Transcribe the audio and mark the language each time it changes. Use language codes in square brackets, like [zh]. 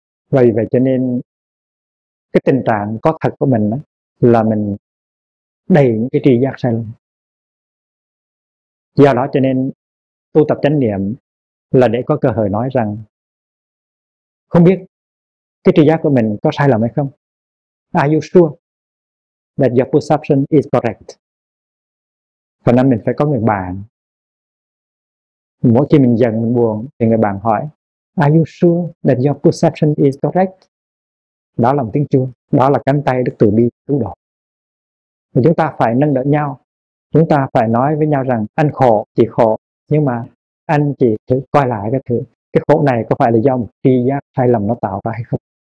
[vi] Vậy vậy cho nên cái tình trạng có thật của mình đó, là mình đầy những cái tri giác sai lầm. Do đó cho nên tu tập chánh niệm là để có cơ hội nói rằng không biết cái tri giác của mình có sai lầm hay không. [en] Are you sure that your perception is correct? [vi] Và nên mình phải có người bạn. Mỗi khi mình giận, mình buồn thì người bạn hỏi [en] Are you sure that your perception is correct? [vi] Đó là một tiếng chuông, đó là cánh tay Đức Từ Bi cứu độ. Chúng ta phải nâng đỡ nhau, chúng ta phải nói với nhau rằng anh khổ, chị khổ, nhưng mà anh chị thử coi lại cái thử, cái khổ này có phải là do một tri giác sai lầm nó tạo ra hay không.